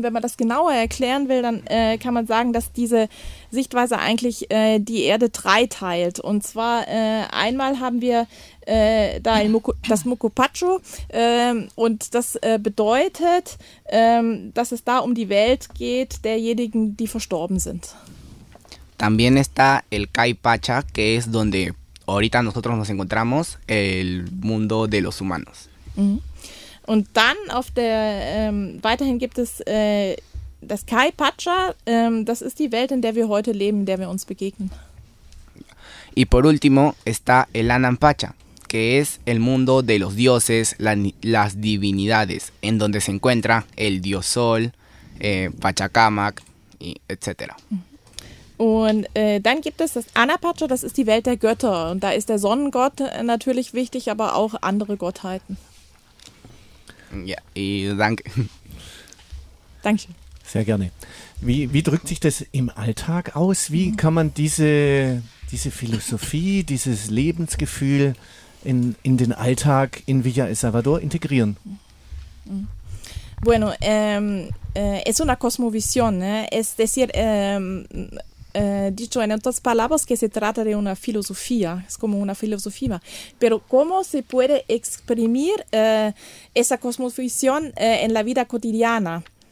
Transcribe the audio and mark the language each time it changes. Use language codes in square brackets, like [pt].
[de] Und wenn man das genauer erklären will, dann kann man sagen, dass diese Sichtweise eigentlich die Erde dreiteilt. Und zwar einmal haben wir das Mucupacho und das bedeutet, dass es da um die Welt geht, derjenigen, die verstorben sind. [es] También está el Caipacha, que es donde ahorita nosotros nos encontramos, el mundo de los humanos. [de] Und dann auf der weiterhin gibt es das Caipacha, das ist die Welt, in der wir heute leben, in der wir uns begegnen. [es] Y por último está el Anampacha, que es el mundo de los dioses, las divinidades, en donde se encuentra el dios Sol, Pachacamac, etcétera. [de] Und dann gibt es das Anapacha, das ist die Welt der Götter. Und da ist der Sonnengott natürlich wichtig, aber auch andere Gottheiten. Ja, danke. Dankeschön. Sehr gerne. Wie drückt sich das im Alltag aus? Wie kann man diese Philosophie, dieses Lebensgefühl in den Alltag in Villa El Salvador integrieren? [es] Bueno, es una cosmovisión, es decir, dicho en otras palabras que se trata de una filosofía, es como una filosofía. Pero ¿cómo se puede exprimir esa cosmovisión en la vida cotidiana?